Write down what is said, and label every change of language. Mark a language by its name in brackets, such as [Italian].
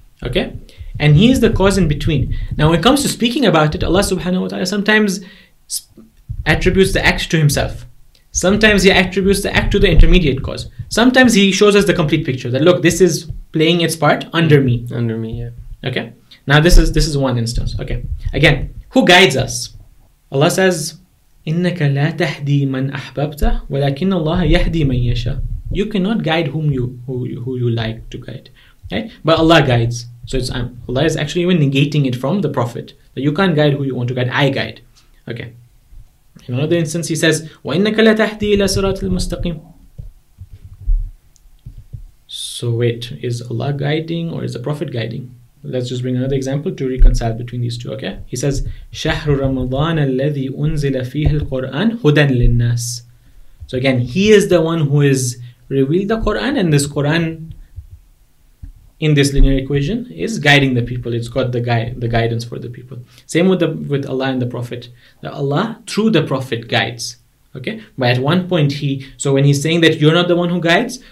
[English] Okay, and he is the cause in between. Now, when it comes to speaking about it, Allah Subhanahu wa Taala sometimes attributes the act to himself. Sometimes he attributes the act to the intermediate cause. Sometimes he shows us the complete picture that, look, this is playing its part under me. Under me, yeah. Okay. Now this is one instance. Okay. Again, who guides us? Allah says, [Arabic] إِنَّكَ لَا تَحْدِي مَنْ أَحْبَبْتَ وَلَكِنَّ اللَّهَ يَحْدِي مَنْ يَشَى. [English] You cannot guide whom you like to guide. Okay? But Allah guides. So it's Allah is actually even negating it from the Prophet. That you can't guide who you want to guide. I guide. Okay. In another instance, he says, [Arabic] وَإِنَّكَ لَتَحْدِي إِلَى صِرَاطِ الْمُسْتَقِيمِ. [English] So wait, is Allah guiding or is the Prophet guiding? Let's just bring another example to reconcile between these two, okay? He says, [Arabic] شَهْرُ رَمَضَانَ الَّذِي أُنزِلَ فِيهِ الْقُرْآنِ هُدًى لِلنَّاسِ. [English] So again, he is the one who has revealed the Quran, and this Quran in this linear equation is guiding the people. It's got the guidance for the people. Same with Allah and the Prophet. That Allah through the Prophet guides. Okay, but at one point when he's saying that you're not the one who guides.